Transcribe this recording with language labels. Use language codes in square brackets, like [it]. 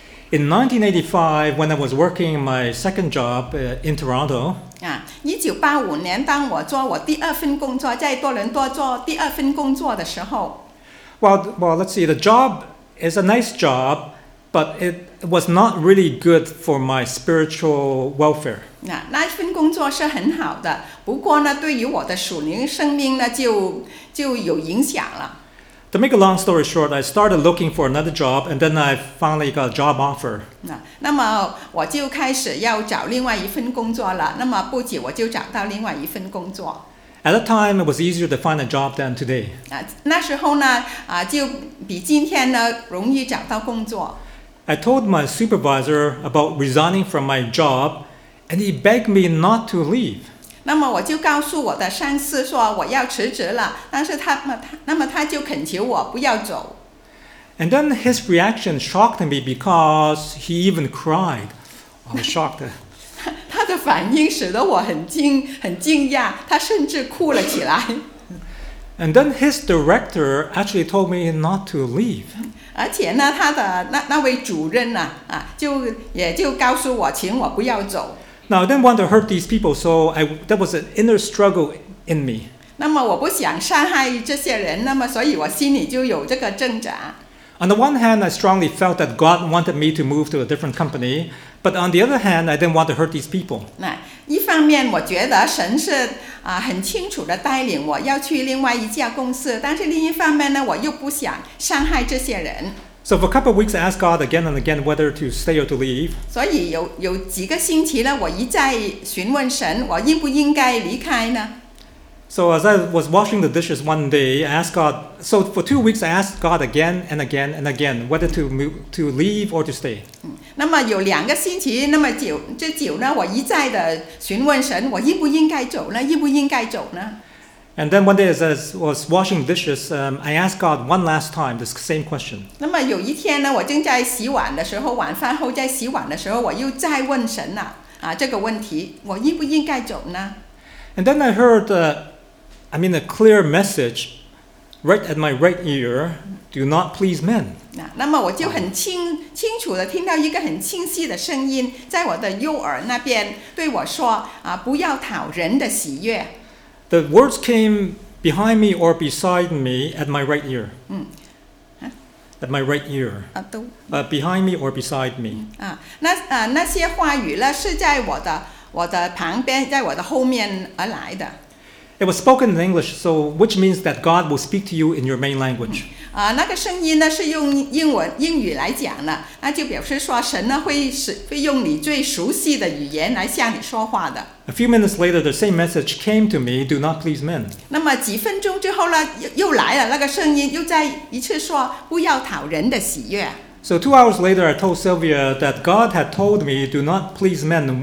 [en] In 1985, when I was working my second job in Toronto. [zh] 1985年，当我做我第二份工作，在多伦多做第二份工作的时候。 [en] Well, let's see the job. It's a nice job, but it was not really good for my spiritual welfare. [zh] 那份工作是很好的，不过呢，对于我的属灵生命呢，就有影响了。 [en] To make a long story short, I started looking for another job, and then I finally got a job offer. [zh] 那么我就开始要找另外一份工作了，那么不久我就找到另外一份工作。 [en] At the time, it was easier to find a job than today. [zh] 那时候呢，就比今天呢容易找到工作。 [en] I told my supervisor about resigning from my job, and he begged me not to leave. 那么我就告诉我的上司说我要辞职了，但是他就恳求我不要走。 And then his reaction shocked me because he even cried. I was shocked. [zh] 他的反应使得我很惊讶，他甚至哭了起来。 [en] And then his director actually told me not to leave. [zh] 而且呢，他的那位主任呢，就告诉我，请我不要走。 [en] Now I didn't want to hurt these people, so that was an inner struggle in me. [zh] 那么我不想伤害这些人，那么所以我心里就有这个挣扎。 [en] On the one hand, I strongly felt that God wanted me to move to a different company, but on the other hand, I didn't want to hurt these people. [zh] 那一方面，我觉得神是很清楚的带领我要去另外一家公司，但是另一方面呢，我又不想伤害这些人。 [en] So for a couple of weeks, I asked God again and again whether to stay or to leave. [zh] 所以有几个星期呢，我一再询问神，我应不应该离开呢？ [en] So as I was washing the dishes one day, I asked God, so for 2 weeks, I asked God again and again and again, whether to leave or to stay. [zh] 那么有两个星期那么久，这久呢，我一再的询问神，我应不应该走呢？应不应该走呢？ [en] And then one day as I was washing dishes, I asked God one last time, the same question. [zh] 那么有一天呢，我正在洗碗的时候，晚饭后在洗碗的时候，我又再问神这个问题，我应不应该走呢？ [en] And then I heard, a clear message right at my right ear, do not please men. [zh] 那么我就很清楚地听到一个很清晰的声音在我的右耳那边对我说不要讨人的喜悦。 [en] The words came behind me or beside me at my right ear. At my right ear. Behind me or beside me. [zh] 那些话语呢是在我的旁边，在我的后面而来的。 [en] It was spoken in English, so which means that God will speak to you in your main language. [zh] 那个声音呢是用英语来讲的，那就表示说神呢会用你最熟悉的语言来向你说话的。 [en] A few minutes later, the same message came to me: "Do not please men." [zh] 那么几分钟之后呢，又来了那个声音，又再一次说：“不要讨人的喜悦。” [en] So 2 hours later, I told Sylvia that God had told me, do not please men.